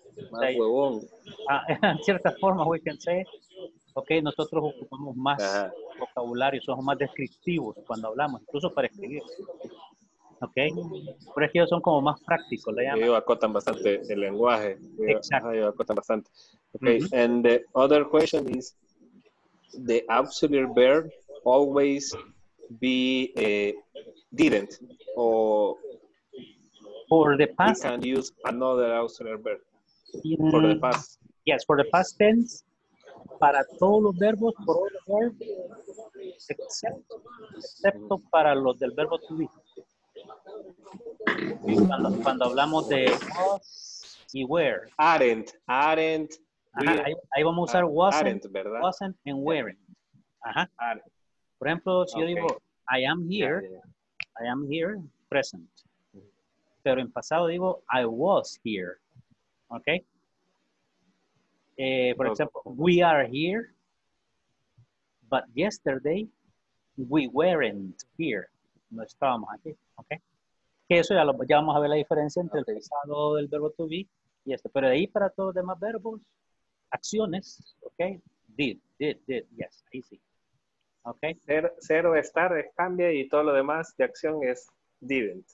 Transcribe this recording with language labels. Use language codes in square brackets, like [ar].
[es] Más say, huevón. En cierta forma, [en] we can say, okay, [es] nosotros ocupamos más vocabulario, somos más descriptivos cuando hablamos, incluso para escribir. Okay. Por eso son como más prácticos, le llaman. Ellos acotan bastante el lenguaje. Exacto. Ellos acotan bastante. Okay. Mm-hmm. [en] And the other question is, the auxiliary verb always be didn't or for the past. You can use another auxiliary verb for the past. Yes, for the past tense. [es] Para todos los verbos, [en] for all the verbs, [es] excepto para los del verbo [en] to be. [es] Cuando hablamos de was y were. [en] Aren't. [es] Ahí vamos a usar [en] wasn't and weren't. [es] Ajá. Por ejemplo, si yo digo, [en] I am here, I am here, present. [es] Pero en pasado digo, [en] I was here. [es] ¿Ok? Por ejemplo, [en] we are here, but yesterday we weren't here. [es] No estábamos aquí. ¿Ok? Que eso ya vamos a ver la diferencia entre el pasado del verbo to be y este. Pero de ahí para todos los demás verbos, acciones, ¿ok? Did, yes, ahí sí. ¿Ok? Ser o estar es cambia y todo lo demás de acción es didn't.